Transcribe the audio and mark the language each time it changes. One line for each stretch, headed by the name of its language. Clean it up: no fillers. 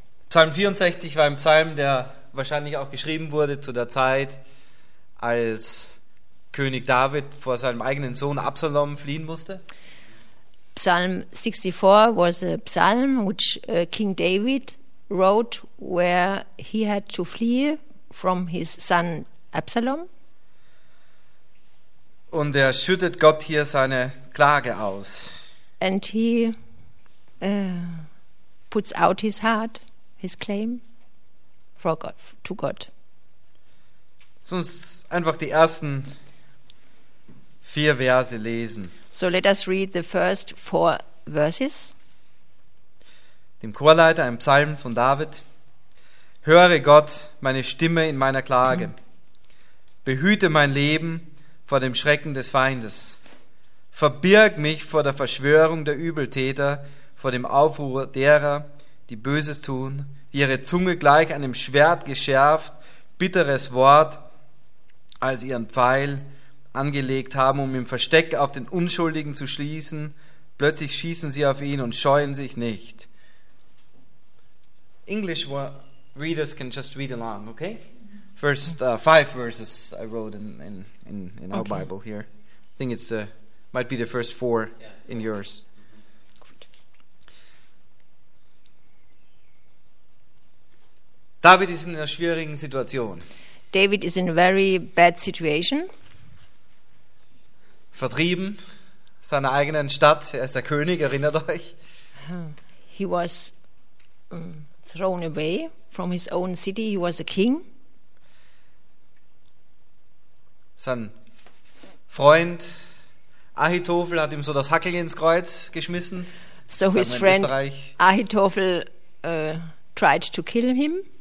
German: Psalm 64 war ein Psalm, der wahrscheinlich auch geschrieben wurde zu der Zeit, als König David vor seinem eigenen Sohn Absalom fliehen musste.
English: Psalm 64 was a psalm which King David wrote where he had to flee from his son Absalom.
German: Und er schüttet Gott hier seine Klage aus.
English: And he puts out his heart, his claim for God, to God.
German: Uns einfach die ersten vier Verse lesen.
English: So let us read the first four verses.
German: Dem Chorleiter, ein Psalm von David. Höre Gott meine Stimme in meiner Klage. Behüte mein Leben vor dem Schrecken des Feindes. Verbirg mich vor der Verschwörung der Übeltäter, vor dem Aufruhr derer, die Böses tun, die ihre Zunge gleich einem Schwert geschärft, bitteres Wort als ihren Pfeil angelegt haben, um im Versteck auf den Unschuldigen zu schießen. Plötzlich schießen sie auf ihn und scheuen sich nicht.
English: English readers can just read along, okay? First five verses I wrote in our Bible here. I think it's might be the first four in yours.
German: David ist in einer schwierigen Situation.
English: David is in a very bad situation.
German: Vertrieben, seiner eigenen Stadt, er ist der König, erinnert euch.
English: He was thrown away from his own city, he was a king.
German: Sein Freund Ahitophel hat ihm so das Hackel ins Kreuz geschmissen.
English: So his friend Ahitophel tried to kill him.